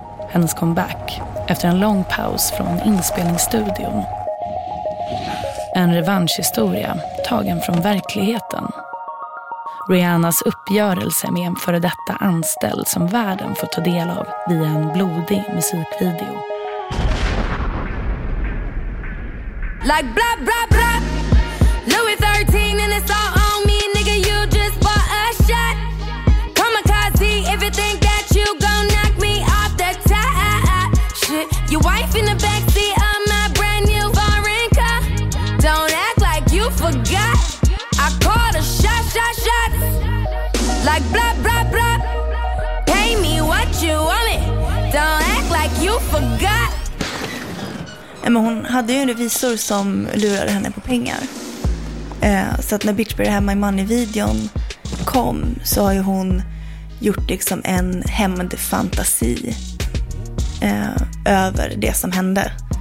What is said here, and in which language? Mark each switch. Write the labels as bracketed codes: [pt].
[sv] Hennes comeback efter en lång paus från inspelningsstudion. En revanschhistoria tagen från verkligheten. Rihannas uppgörelse med en före detta anställd som världen får ta del av via en blodig musikvideo. [en] Like blah blah blah, Louis 13 and it's all on me, nigga. You just bought a shot. Kamikaze, if you think that you gon' knock me off the top. Shit, your wife in the backseat of my brand new foreign car. Don't act like you forgot. I called a shot, shot, shot. Like blah blah blah, pay me what you want me. Don't act like you forgot. [sv] Men hon hade ju en revisor som lurade henne på pengar. Så att när Bitch Better Have My Money-videon kom, så har ju hon gjort liksom en hämnd fantasi över det som hände.